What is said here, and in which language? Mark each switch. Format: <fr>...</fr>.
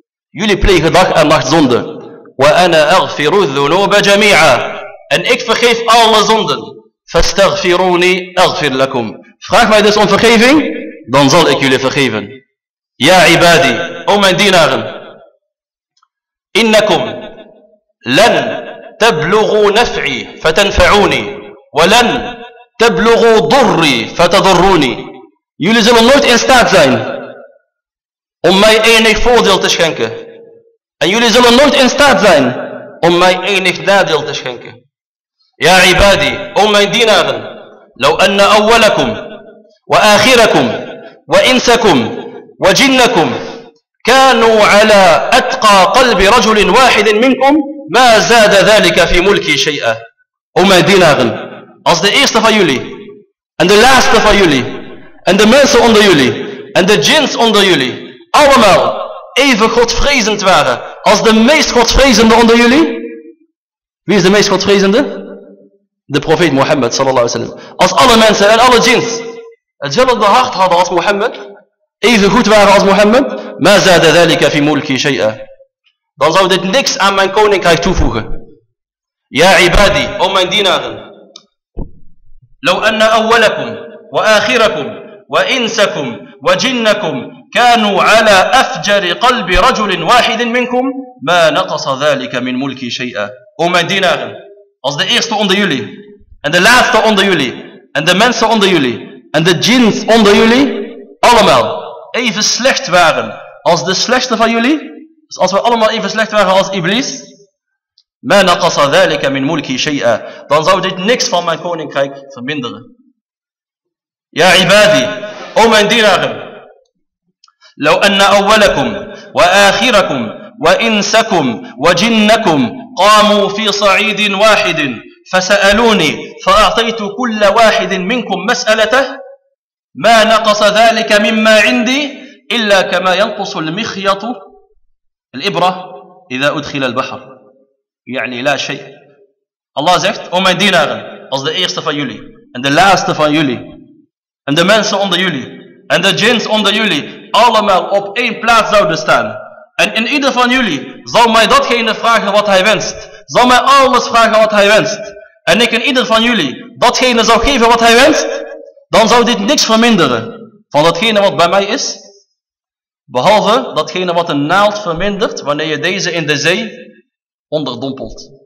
<nl>Jullie plegen dag en nacht zonden.</nl> <ar>Wa ana aghfiru dhunuba jami'a.</ar> <nl>En ik vergeef alle zonden.</nl> <ar>Fastaghfiruni aghfir lakum.</ar> <nl>Vraag mij dus om vergeving, dan zal ik jullie vergeven.</nl> <ar>Ya ibadi,</ar> <nl>o mijn dienaren.</nl> <ar>Innakum لن تبلغوا نفعي فتنفعوني ولن تبلغوا ضري فتضروني.</ar> <nl>Jullie zullen nooit in staat zijn om mij enig voordeel te schenken. En jullie zullen nooit in staat zijn om mij enig nadeel te schenken.</nl> <ar>Ya ibadi,</ar> <nl>o mijn dienaren.</nl> <ar>لو أن أولكم وآخركم وإنسكم وجنكم كانوا على أتقى قلب رجل واحد منكم ما زاد ذلك في ملكي شيئا.</ar> <nl>O mijn dienaren, als de eerste van jullie en de laatste van jullie en de mensen onder jullie en de jins onder jullie allemaal even godvrezend waren als de meest godvrezende onder jullie. Wie is de meest godvrezende? De profeet Mohammed sallallahu alaihi wasallam. Als alle mensen en alle jins hetzelfde hart hadden als Mohammed, even goed waren als Mohammed,</nl> <ar>ma zada dhalika fi mulki shay'a,</ar> <nl>dan zou dit niks aan mijn koninkrijk toevoegen.</nl> <ar>Ya ibadi,</ar> <nl>o mijn dienaren.</nl> <ar>لو أن أولكم وآخركم وإنسكم وجنكم كانوا على أفجر قلب رجل واحد منكم ما نقص ذلك من ملكي شيئا.</ar> <nl>O mijn dienaren, als de eerste onder jullie en de laatste onder jullie en de mensen onder jullie en de jins onder jullie allemaal even slecht waren als de slechtste van jullie, dus als we allemaal even slecht waren als Iblis,</nl> <ar>ما نقص ذلك من ملكي شيئا,</ar> <nl>dan zou dit niks van mijn koninkrijk verminderen.</nl> <ar>يا عبادي,</ar> <nl>o mijn dienaren.</nl> <ar>لو أن أولكم وآخركم وإنسكم وجنكم قاموا في صعيد واحد فسألوني فأعطيت كل واحد منكم مسألته ما نقص ذلك مما عندي إلا كما ينقص المخيط الإبرة إذا أدخل البحر. يعني لا شيء.</ar> <nl>Allah zegt, o mijn dienaren, als de eerste van jullie en de laatste van jullie en de mensen onder jullie en de jins onder jullie allemaal op één plaats zouden staan en in ieder van jullie zal mij datgene vragen wat hij wenst, zal mij alles vragen wat hij wenst en ik in ieder van jullie datgene zou geven wat hij wenst, dan zou dit niks verminderen van datgene wat bij mij is, behalve datgene wat een naald vermindert wanneer je deze in de zee onderdompelt.</nl>